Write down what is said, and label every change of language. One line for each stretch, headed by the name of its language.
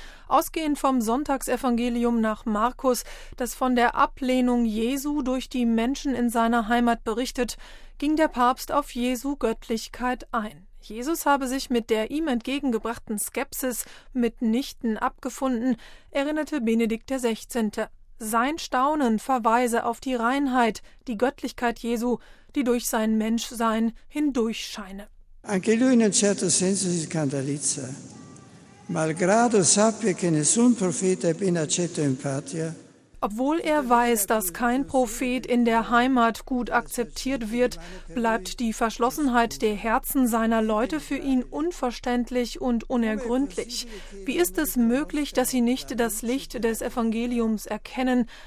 German: Ausgehend vom Sonntagsevangelium nach Markus, das von der Ablehnung Jesu durch die Menschen in seiner Heimat berichtet, ging der Papst auf Jesu Göttlichkeit ein. Jesus habe sich mit der ihm entgegengebrachten Skepsis mitnichten abgefunden, erinnerte Benedikt XVI. Sein Staunen verweise auf die Reinheit, die Göttlichkeit Jesu, die durch sein Menschsein hindurchscheine.
Italian: Anche lui in un certo senso si scandalizza, malgrado sappia che nessun profeta è ben accetto in patria.
German: Obwohl er weiß, dass kein Prophet in der Heimat gut akzeptiert wird, bleibt die Verschlossenheit der Herzen seiner Leute für ihn unverständlich und unergründlich. Wie ist es möglich, dass sie nicht das Licht des Evangeliums erkennen?